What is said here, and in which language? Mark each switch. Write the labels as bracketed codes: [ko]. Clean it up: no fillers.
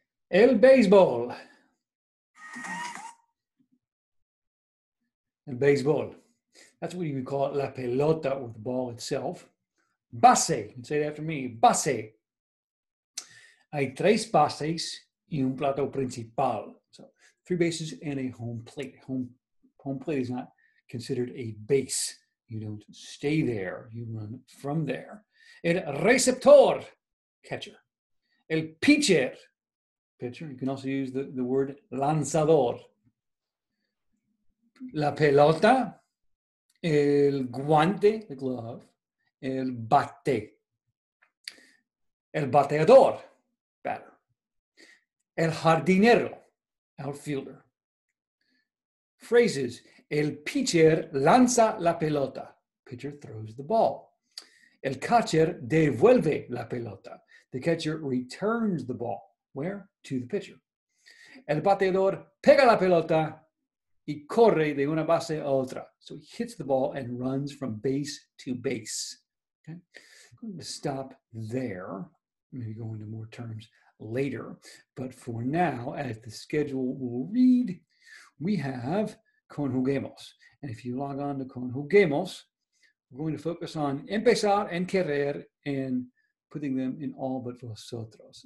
[es] El Baseball. [en] El Baseball. That's what you would call it, la pelota, or the ball itself. Base. Say it after me. Base. [es] Hay tres bases y un plato principal. [en] So, three bases and a home plate. Home plate is not considered a base. You don't stay there. You run from there. El receptor. Catcher. El pitcher. Pitcher. You can also use the word lanzador. [es] La pelota, el guante, the glove, el bate, el bateador, batter, el jardinero, outfielder. [en] Phrases, [es] el pitcher lanza la pelota, [en] pitcher throws the ball. [es] El catcher devuelve la pelota, [en] the catcher returns the ball. Where? To the pitcher. [es] El bateador pega la pelota y corre de una base a otra. [en] So he hits the ball and runs from base to base. Okay, I'm going to stop there. Maybe go into more terms later. But for now, as the schedule will read, we have Conjuguemos. And if you log on to Conjuguemos, we're going to focus on empezar and querer and putting them in all but vosotros.